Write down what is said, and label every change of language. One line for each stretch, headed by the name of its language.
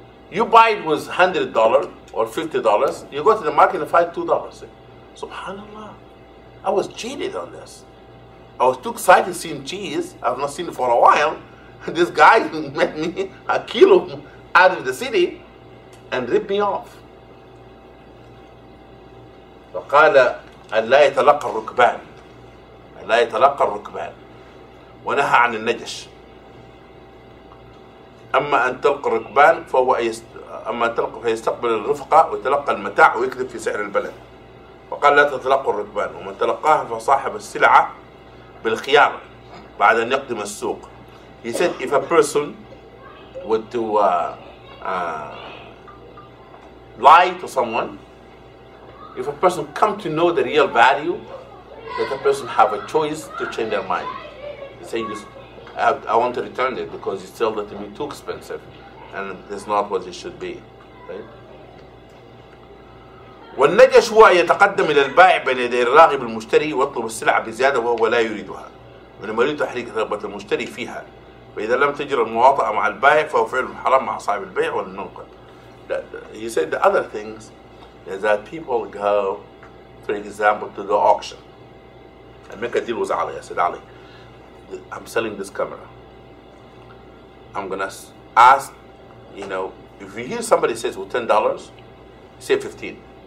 English: You buy it was $100 or $50, you go to the market and find $2. Subhanallah, I was cheated on this. I was too excited seeing cheese. I've not seen it for a while. This guy made me a kilo out of the city and ripped me off.
Arabic: فقال أن لا يتلقى الركبان أن لا يتلقى الركبان ونهى عن النجش. أما أن تلقى الركبان فهو أما تلقى فيستقبل الرفقة ويتلقى المتاع ويكذب في سعر البلد. وقال لا تتلقوا الركبان ومن تلقاها فصاحب السلعة بالخيار بعد أن يقدم السوق.
English: He said if a person would to lie to someone, if a person come to know the real value, that the person have a choice to change their mind. He said, I want to return it because you sold it to me too expensive and it's not what it should be.
Arabic: والنجش هو أن يتقدم إلى البائع بين يدي الراغب المشتري ويطلب السلعة بزيادة وهو لا يريدها وإنما يريد تحريك رغبة المشتري فيها. فإذا لم تجر المواطأة مع البائع فهو فعل حرام مع صاحب البيع والمنقل.
English: He said the other things is that people go, for example, to the auction and make a deal with Ali. I said, Ali, I'm selling this camera. I'm gonna ask, you know, if you hear somebody says with $10, say 15.